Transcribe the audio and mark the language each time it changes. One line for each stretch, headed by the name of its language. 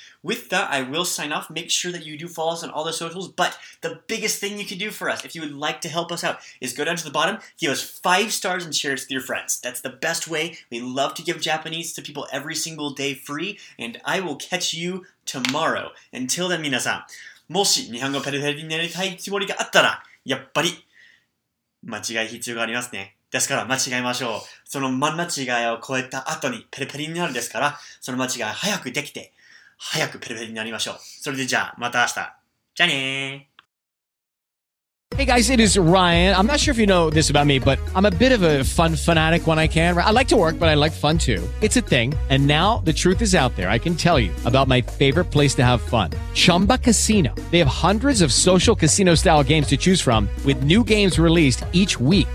English: With that, I will sign off. Make sure that you do follow us on all the socials, but the biggest thing you can do for us, if you would like to help us out, is go down to the bottom, give us 5 stars, and share it with your friends. That's the best way. We love to give Japanese to people every single day free, and I will catch you tomorrow. Until then,
Japanese: 皆さん, もし 日本語 ペラペラになりたいつもりがあったら, やっぱり 間違い必要がありますね。ですから間違いましょう。その間違いを超えた後に ペラペラになるですから, その間違い早くできて、 早くペルペルになりましょう。それでじゃあ、また明日。じゃあねー。
English: Hey guys, it is Ryan. I'm not sure if you know this about me, but I'm a bit of a fun fanatic when I can. I like to work, but I like fun too. It's a thing. And now the truth is out there. I can tell you about my favorite place to have fun. Chumba Casino. They have hundreds of social casino style games to choose from with new games released each week.